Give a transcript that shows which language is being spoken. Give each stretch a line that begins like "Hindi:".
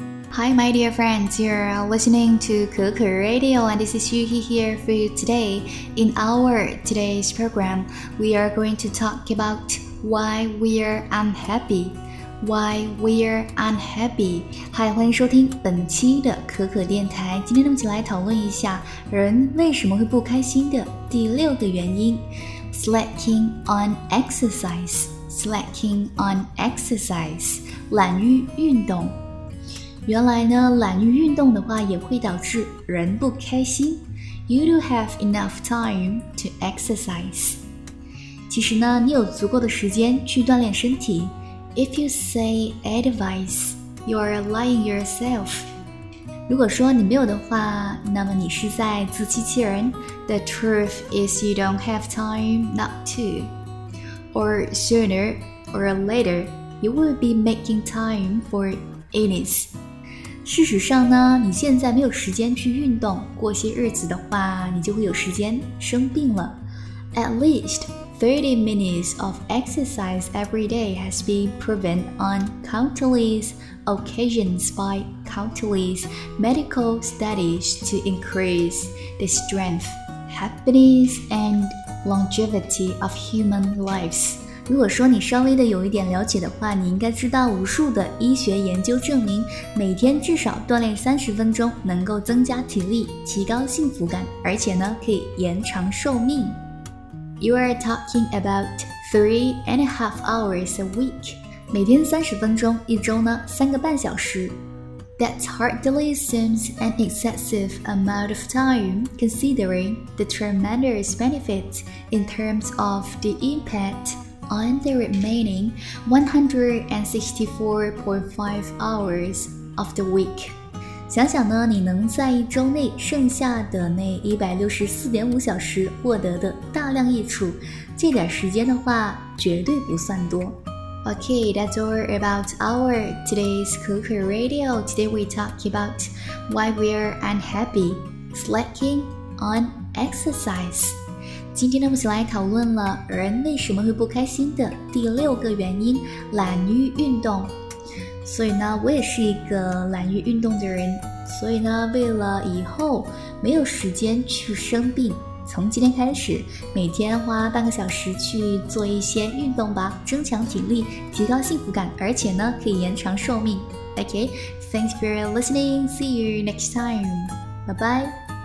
English: Hi, my dear friends, you're listening to Kuku Radio, and this is Yuhi here for you today. In our today's program, we are going to talk about why we're unhappy. Why we're unhappy.
Chinese: Hi, 欢迎收听本期的可可电台。今天我们一起来讨论一下人为什么会不开心的第六个原因。
English: Slacking on exercise. Slacking on exercise.
Chinese: 懒于运动。原来呢，懒于运动的话也会导致人不开心。
English: You do have enough time to exercise.
Chinese: 其实呢，你有足够的时间去锻炼身体。
English: If you say advice, you are lying yourself.
Chinese: 如果说你没有的话，那么你是在自欺欺人。
English: The truth is you don't have time not to. Or sooner or later, you will be making time for illness.
Chinese: 事实上呢，你现在没有时间去运动，过些日子的话，你就会有时间生病了。
English: At least 30 minutes of exercise every day has been proven on countless occasions by countless medical studies to increase the strength, happiness, and longevity of human lives.
Chinese: 如果说你稍微的有一点了解的话，你应该知道无数的医学研究证明，每天至少锻炼30分钟能够增加体力，提高幸福感，而且呢可以延长寿命。
English: You are talking about 3.5 hours a week.
Chinese: 每天30分钟，一周呢3.5小时。
English: That hardly seems an excessive amount of time, considering the tremendous benefits in terms of the impact. On the remaining 164.5 hours of the week.
Chinese: 想想呢，你能在一周内剩下的那164.5小时获得的大量益处，这点时间的话绝对不算多。
English: Okay, that's all about our today's Kuku Radio. Today we talk about why we're unhappy, slacking on exercise.
Chinese: 今天呢，我们来讨论了人为什么会不开心的第六个原因，懒于运动。所以呢，我也是一个懒于运动的人。所以呢，为了以后没有时间去生病，从今天开始，每天花半个小时去做一些运动吧，增强体力，提高幸福感，而且呢，可以延长寿命。
English: Okay, thanks for listening. See you next time. Bye bye.